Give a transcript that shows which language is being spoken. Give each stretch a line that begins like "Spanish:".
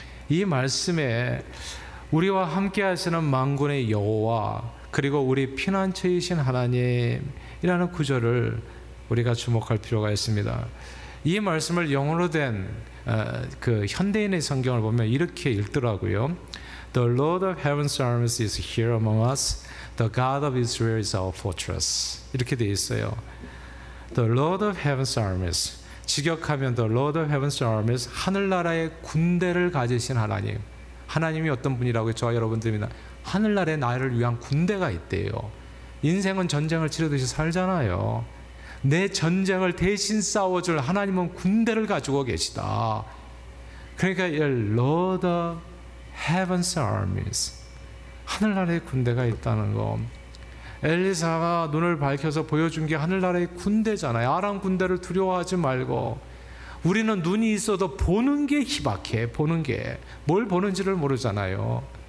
Korean: 이 말씀에 우리와 함께 하시는 만군의 여호와 그리고 우리 피난처이신 하나님이라는 구절을 우리가 주목할 필요가 있습니다. 이 말씀을 영어로 된 그 현대인의 성경을 보면 이렇게 읽더라고요.
English: The Lord of Heaven's Armies is here among us. The God of Israel is our fortress.
Korean: 이렇게 되어 있어요.
English: The Lord of Heaven's Armies.
Korean: 직역하면
English: The Lord of Heaven's Armies.
Korean: 하늘나라의 군대를 가지신 하나님. 하나님이 어떤 분이라고 저와 여러분들입니다. 하늘나라의 나를 위한 군대가 있대요. 인생은 전쟁을 치르듯이 살잖아요. 내 전쟁을 대신 싸워줄 하나님은 군대를 가지고 계시다. 그러니까
English: The Lord of Heaven's Armies.
Korean: 하늘나라의 군대가 있다는 거. 엘리사가 눈을 밝혀서 보여준 게 하늘나라의 군대잖아요. 아람 군대를 두려워하지 말고 우리는 눈이 있어도 보는 게 희박해. 보는 게 뭘 보는지를 모르잖아요.